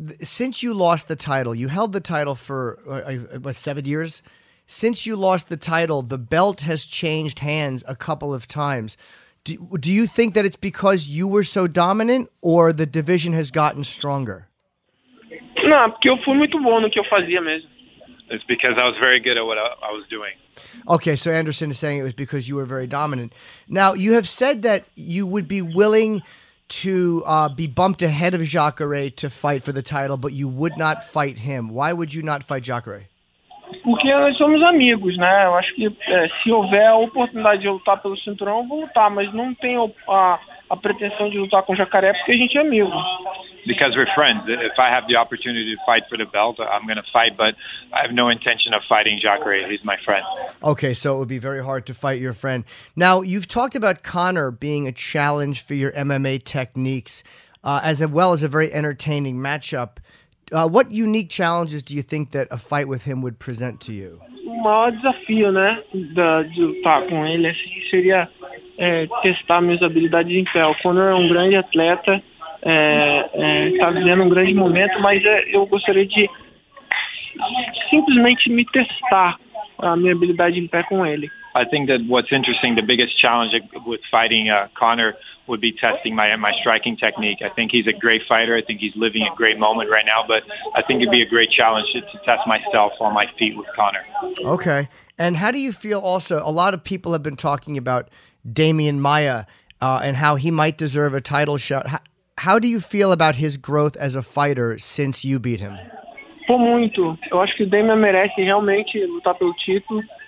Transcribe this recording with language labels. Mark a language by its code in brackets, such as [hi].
[en] since you lost the title, you held the title for what, 7 years? Since you lost the title, the belt has changed hands a couple of times. Do you think that it's because you were so dominant or the division has gotten stronger? [pt] Não, porque eu fui muito bom no que eu fazia mesmo. [en] It's because I was very good at what I was doing. Okay, so Anderson is saying it was because you were very dominant. Now, you have said that you would be willing to be bumped ahead of Jacare to fight for the title, but you would not fight him. Why would you not fight Jacare? [pt] Porque nós somos amigos, né? Eu acho que se houver a oportunidade de lutar pelo cinturão, eu vou lutar. Mas não tenho a pretensão de lutar com o Jacaré porque a gente é amigo. [en] Because we're friends. If I have the opportunity to fight for the belt, I'm going to fight. But I have no intention of fighting Jacaré. He's my friend. Okay, so it would be very hard to fight your friend. Now, you've talked about Conor being a challenge for your MMA techniques, as well as a very entertaining matchup. What unique challenges do you think that a fight with him would present to you? [pt] O maior desafio, né, de lutar com ele, assim, seria testar minhas habilidades em pé. O Conor é grande atleta, está vivendo grande momento, mas eu gostaria de simplesmente me testar a minha habilidade em pé com ele. [en] I think that what's interesting, the biggest challenge with fighting Conor would be testing my striking technique. I think he's a great fighter. I think he's living a great moment right now, but I think it'd be a great challenge to test myself on my feet with Conor. Okay. And how do you feel also, a lot of people have been talking about Damian Maia and how he might deserve a title shot. How do you feel about his growth as a fighter since you beat him? [pt] Por muito. Eu acho que o Damian merece realmente lutar pelo título.